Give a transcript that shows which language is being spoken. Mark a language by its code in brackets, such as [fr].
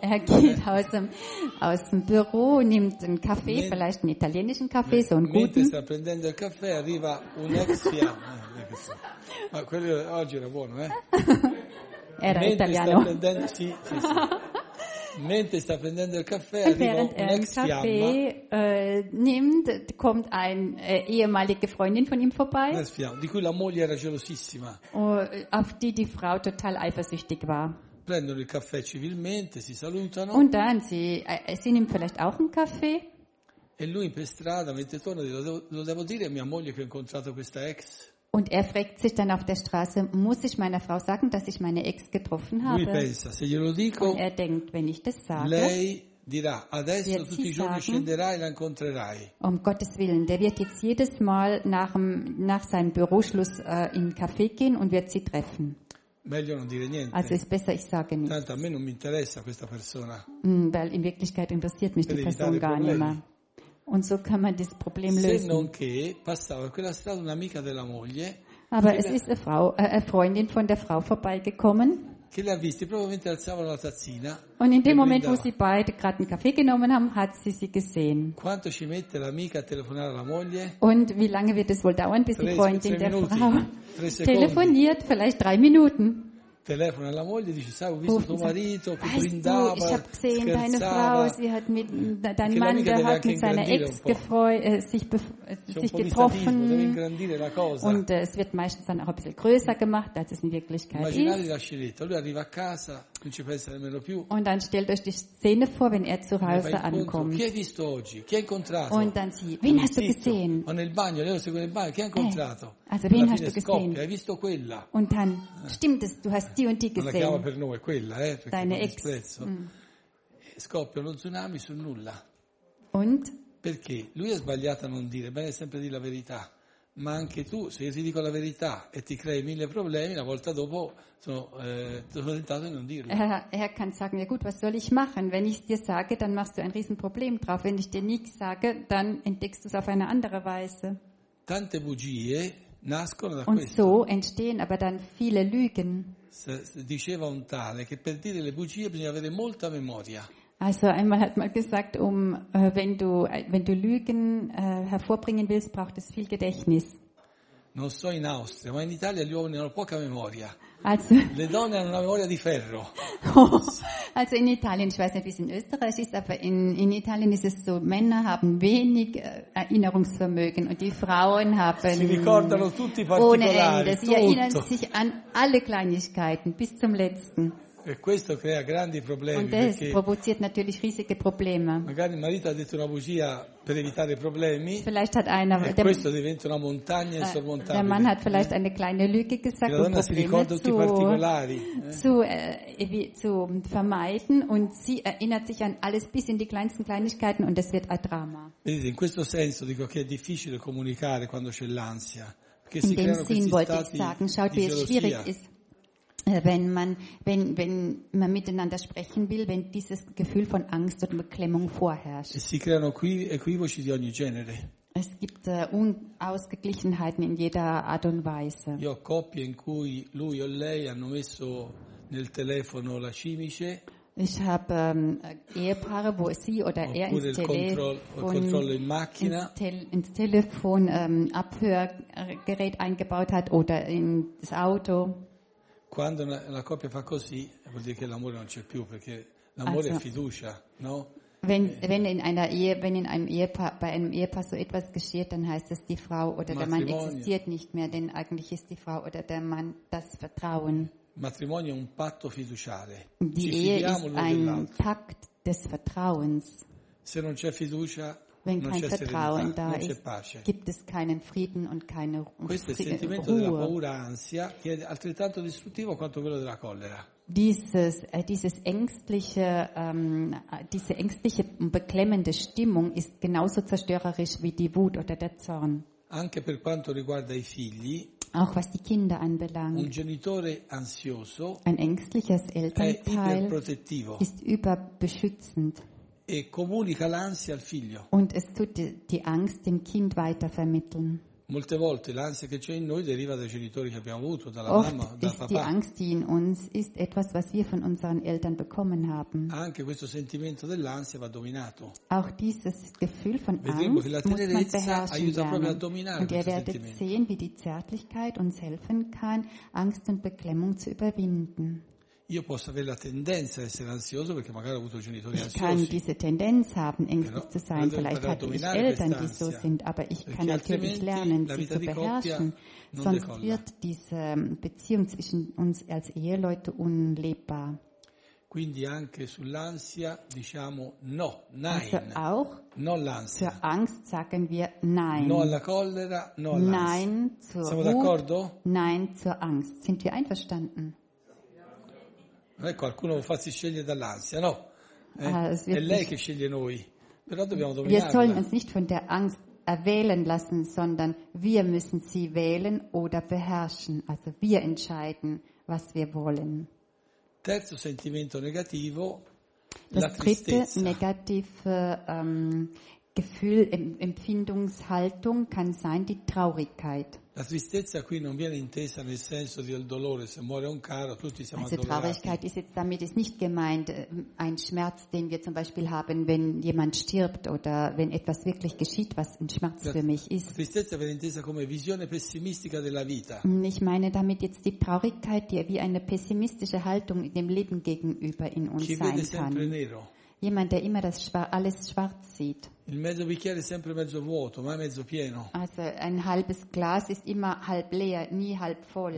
[de] Er geht aus dem Büro, nimmt einen Kaffee, vielleicht einen italienischen Kaffee, so einen guten. [it] Mentre sta prendendo il caffè, arriva un ex fiancé. Ma quello oggi era buono, eh? Era italiano. Mentre sta prendendo il caffè, arriva un ex fiancé. [de] Nimmt, kommt eine ehemalige Freundin von ihm vorbei. [it] Di cui la moglie era gelosissima. [de] Auf die Frau total eifersüchtig war. [it] Prendono il caffè civilmente, si salutano. [de] Und dann sie nimmt vielleicht auch einen Kaffee. [it] E lui per strada mentre torna dice, lo devo dire a mia moglie che ho incontrato questa ex. [de] Und er fragt sich dann auf der Straße, muss ich meiner Frau sagen, dass ich meine Ex getroffen habe? [it] Lui pensa, se glielo dico, [de] und er denkt, wenn ich das sage, [it] lei dirà, adesso [de] wird [it] tutti [de] sie [it] i giorni [de] sagen, [it] scenderai e la incontrerai. [de] Um Gottes Willen, der wird jetzt jedes Mal nach seinem Büroschluss in den Café gehen und wird sie treffen. [it] Meglio non dire niente. [de] Also ist besser, ich sage nichts. [it] Tanto a me non mi interessa questa persona. [de] Weil in Wirklichkeit interessiert mich die Person gar nicht mehr. Und so kann man das Problem lösen. [it] Se non che passava quella strada un'amica della moglie. [de] Aber es ist eine Freundin von der Frau vorbeigekommen. [it] Che l'ha vista proprio mentre alzavano la tazzina. [de] Und in dem Moment, wo sie beide gerade einen Kaffee genommen haben, hat sie sie gesehen. [it] Quanto ci mette l'amica a telefonare alla moglie? [de] Und wie lange wird es wohl dauern, bis die Freundin der Frau telefoniert? Vielleicht 3 Minuten. [it] Telefona alla moglie, dice, sai, ho visto tuo marito che brindava, scherzava. [de] Ich habe gesehen, deine Frau, sie hat mit deinem Mann, der hat mit seiner Ex sich getroffen. Und es wird meistens dann auch ein bisschen größer gemacht, als es in Wirklichkeit ist. [it] Lui arriva a casa, non ci pensa nemmeno più. [de] Und dann stellt euch die Szene vor, wenn er zu Hause ankommt. [it] Chi hai visto oggi? Chi hai incontrato? [de] Und dann sie, wen hast du gesehen? [it] Ma nel bagno, lei lo segue nel bagno, chi hai incontrato? [de] Also, wen hast du gesehen? [it] Hai visto quella? [de] Und dann, stimmt es, du hast die und die gesehen. [it] La chiama per nome, quella, [de] deine Ex. [it] Scoppia uno tsunami sul nulla. [de] Und? [it] Perché? Lui ha sbagliato a non dire, bene sempre dire la verità. Ma anche tu, se io ti dico la verità e ti crei 1000 problemi, una volta dopo sono tentato di non dirlo. [de] Er kann sagen, ja gut, was soll ich machen? Wenn ich es dir sage, dann machst du ein Riesenproblem drauf. Wenn ich dir nichts sage, dann entdeckst du es auf eine andere Weise. [it] Tante bugie nascono da questo. [de] Und so entstehen aber dann viele Lügen. [it] Diceva un tale che per dire le bugie bisogna avere molta memoria. [de] Also einmal hat man gesagt, wenn du Lügen hervorbringen willst, braucht es viel Gedächtnis. [it] Non so in Austria, ma in Italia gli uomini hanno poca memoria. [de] Also, [it] le donne hanno una memoria di ferro. [de] Also in Italien, ich weiß nicht, wie es in Österreich ist, aber in Italien ist es so, Männer haben wenig Erinnerungsvermögen und die Frauen haben [it] si ricordano tutti i particolari, [de] ohne Ende. Sie erinnern sich an alle Kleinigkeiten bis zum Letzten. [it] E questo crea grandi problemi. [de] Und das provoziert natürlich riesige Probleme. [it] Magari il marito ha detto una bugia per evitare problemi. [de] Vielleicht hat einer. [it] E questo diventa una montagna insormontabile. [de] Der Mann hat vielleicht eine kleine Lüge gesagt. [it] La donna si ricorda tutti i particolari. [de] Zu vermeiden und sie erinnert sich an alles bis in die kleinsten Kleinigkeiten und das wird ein Drama. [it] Vedete, in questo senso dico che è difficile comunicare quando c'è l'ansia, perché si creano questi stati di gelosia. [de] Wenn man miteinander sprechen will, wenn dieses Gefühl von Angst und Beklemmung vorherrscht. [it] Si creano equivoci di ogni genere. [de] Es gibt Unausgeglichenheiten in jeder Art und Weise. [it] Io coppie in cui lui o lei hanno messo nel telefono la cimice. [de] Ich habe Ehepaare, wo sie oder er ins Telefon Abhörgerät eingebaut hat oder ins Auto. [it] Quando la coppia fa così, vuol dire che l'amore non c'è più, perché l'amore è fiducia, no? [de] Wenn in einem Ehepaar so etwas geschieht, dann heißt es, die Frau oder der Mann existiert nicht mehr, denn eigentlich ist die Frau oder der Mann das Vertrauen. [it] Matrimonio è un patto fiduciale. [de] Die Ehe ist ein Pakt des Vertrauens. [it] Se non c'è fiducia, [de] wenn [it] non [de] kein [it] c'è [de] Vertrauen [it] serenità, [de] da [it] non [de] ist, [it] c'è pace. [de] Gibt es keinen Frieden und keine Ruhe. [it] Questo è il sentimento della paura, ansia, che è altrettanto distruttivo quanto quello della collera. [de] Diese ängstliche und beklemmende Stimmung ist genauso zerstörerisch wie die Wut oder der Zorn. [it] Anche per quanto riguarda i figli, [de] auch was die Kinder anbelangt, [it] un genitore ansioso, [de] ein ängstliches Elternteil ist überbeschützend [it] e comunica l'ansia al figlio. [de] Und es tut die Angst dem Kind weitervermitteln. [it] Molte volte l'ansia che c'è in noi deriva dai genitori che abbiamo avuto, dalla mamma, dal papà. [de] Oft ist die Angst, die in uns ist, etwas, was wir von unseren Eltern bekommen haben. [it] Anche questo sentimento dell'ansia va dominato. [de] Auch dieses Gefühl von Angst [it] Vedremo che la tenerezza aiuta proprio a dominare questo sentimento. [de] Und ihr werdet sehen, wie die Zärtlichkeit uns helfen kann, Angst und Beklemmung zu überwinden. [it] Io posso avere la tendenza a essere ansioso perché magari ho avuto genitori ansiosi. [de] Ich kann diese Tendenz haben, ängstlich zu sein. Vielleicht hatte ich Eltern, die so sind, aber ich kann natürlich lernen, sie zu beherrschen. Sonst wird diese Beziehung zwischen uns als Eheleute unlebbar. [it] Quindi anche sull'ansia diciamo no, [de] nein. Also auch [it] non l'ansia. [de] Für Angst sagen wir nein. [it] No alla collera, no all'ansia. [de] Nein zur Wut. [it] Siamo d'accordo? [de] Nein zur Angst. Sind wir einverstanden? [it] Ecco, qualcuno può farsi scegliere dall'ansia, no? È lei che sceglie noi, però dobbiamo dominarla. [de] Wir sollen uns nicht von der Angst erwählen lassen, sondern wir müssen sie wählen oder beherrschen. Also wir entscheiden, was wir wollen. [it] Terzo sentimento negativo, [de] das [it] la tristezza. [de] Dritte negative Gefühl, Empfindungshaltung kann sein die Traurigkeit. [it] La tristezza qui non viene intesa nel senso del dolore, se muore un caro tutti siamo addolorati. [de] Traurigkeit ist jetzt damit ist nicht gemeint ein Schmerz, den wir zum Beispiel haben, wenn jemand stirbt oder wenn etwas wirklich geschieht, was ein Schmerz für mich ist. [it] La tristezza viene intesa come visione pessimistica della vita. [de] Ich meine damit jetzt die Traurigkeit, die wie eine pessimistische Haltung in dem Leben gegenüber in uns sein kann. [it] Chi vede sempre nero. [de] Jemand, der immer alles schwarz sieht. [it] Il mezzo bicchiere è sempre mezzo vuoto, mai mezzo pieno. [de] Also ein halbes Glas ist immer halb leer, nie halb voll.